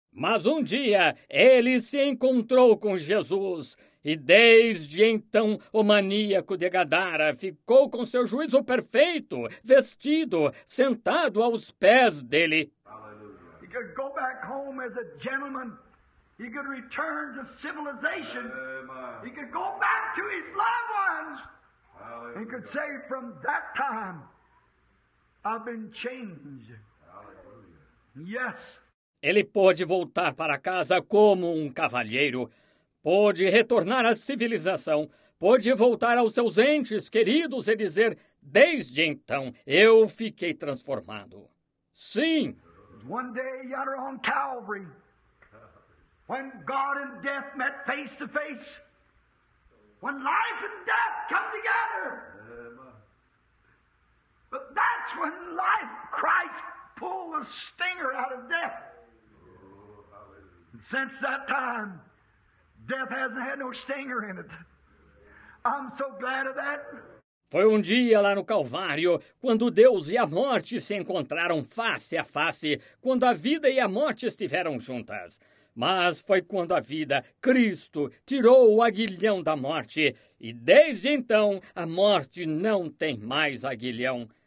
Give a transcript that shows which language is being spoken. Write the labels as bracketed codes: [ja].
[pt] Mas um dia, ele se encontrou com Jesus, e desde então o maníaco de Gadara ficou com seu juízo perfeito, vestido, sentado aos pés dele. Aleluia. [en] He could go back home as a gentleman. He could return to civilization. Amen. He could go back to his loved ones. [pt] Aleluia. [en] He could say, from that time, I've been changed. [pt] Aleluia. [en] Yes. [pt] Ele pôde voltar para casa como um cavalheiro, pôde retornar à civilização, pôde voltar aos seus entes queridos e dizer, desde então, eu fiquei transformado. Sim. [en] One day, yonder on Calvary, when God and death met face to face, when life and death come together, but that's when life, Christ, pulled the stinger out of death. Since that time, death hasn't had no stinger in it. I'm so glad of that. [pt] Foi um dia lá no Calvário, quando Deus e a morte se encontraram face a face, quando a vida e a morte estiveram juntas. Mas foi quando a vida, Cristo, tirou o aguilhão da morte. E desde então, a morte não tem mais aguilhão.